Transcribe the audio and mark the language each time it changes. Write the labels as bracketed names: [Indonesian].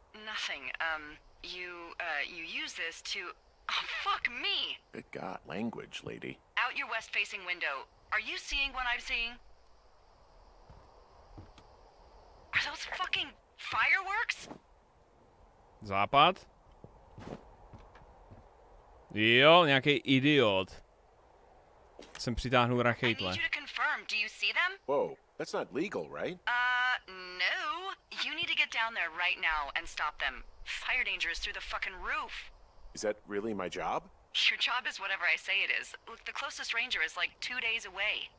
[English] Nothing. You use this to. Oh, fuck me! Good God, language, lady. Out your west facing window. Are you seeing what I'm seeing? Are those fucking fireworks? [Czech] Západ? Jo, nějaký idiot. Jsem přitáhnul rachejtle. [English] I need you to confirm. Do you see them? Whoa, That's not legal, right? No. You need to get down there right now and stop them. Fire danger is through the fucking roof. Is that really my job? Your job is whatever I say it is. Look, the closest ranger is like 2 days away.